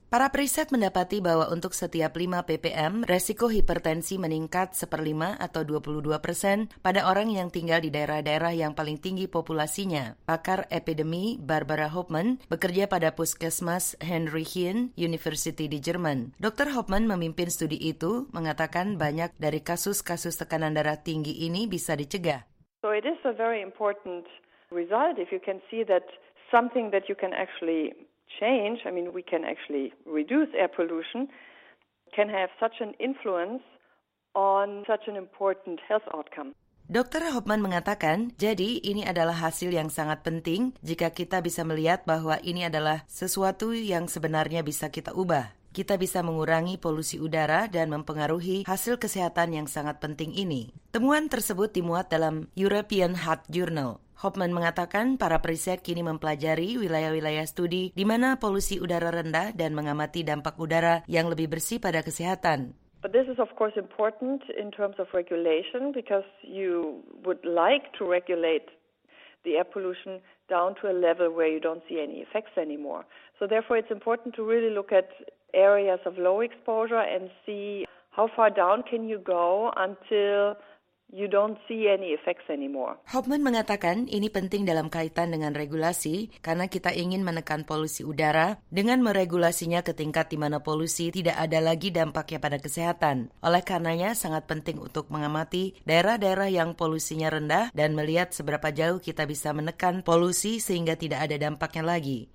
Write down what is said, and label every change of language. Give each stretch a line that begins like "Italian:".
Indonesian: Para periset mendapati bahwa untuk setiap 5 ppm, resiko hipertensi meningkat 1/5 atau 22% pada orang yang tinggal di daerah-daerah yang paling tinggi populasinya. Pakar epidemi Barbara Hoffman bekerja pada Puskesmas Heinrichien University di Jerman. Dr. Hoffman memimpin studi itu mengatakan banyak dari kasus-kasus tekanan darah tinggi ini bisa dicegah.
English: So it is a very important result if you can see that something that you can actually change, I mean, we can actually reduce air pollution, can have such an influence on such an important health outcome.
Indonesian: Dr. Hopman mengatakan, jadi ini adalah hasil yang sangat penting jika kita bisa melihat bahwa ini adalah sesuatu yang sebenarnya bisa kita ubah. Kita bisa mengurangi polusi udara dan mempengaruhi hasil kesehatan yang sangat penting ini. Temuan tersebut dimuat dalam European Heart Journal. Hopman mengatakan para periset kini mempelajari wilayah-wilayah studi di mana polusi udara rendah dan mengamati dampak udara yang lebih bersih pada kesehatan.
English: But this is of course important in terms of regulation because you would like to regulate the air pollution down to a level where you don't see any effects anymore. So therefore it's important to really look at areas of low exposure and see how far down can you go until you don't see any effects anymore.
Indonesian: Hopman mengatakan ini penting dalam kaitan dengan regulasi karena kita ingin menekan polusi udara dengan meregulasinya ke tingkat di mana polusi tidak ada lagi dampaknya pada kesehatan. Oleh karenanya sangat penting untuk mengamati daerah-daerah yang polusinya rendah dan melihat seberapa jauh kita bisa menekan polusi sehingga tidak ada dampaknya lagi.